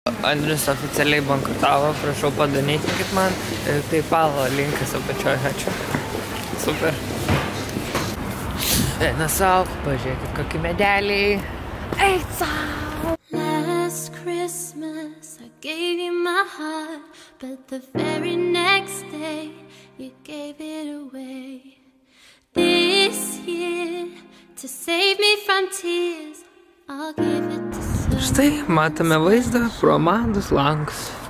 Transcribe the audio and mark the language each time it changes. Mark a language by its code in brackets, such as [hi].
[lt] Andrius oficialiai bankrutavo, prašau padonėtinkit man. PayPal linkas apačioje, ačiū. Super. Na savo, pažiūrėkit kokį medelį. [en] It's all. Last Christmas I gave you my heart, but the very next day you gave it away. This year to save me from tears I'll give it to someone. [lt] Štai matome vaizdą pro Amandos langus.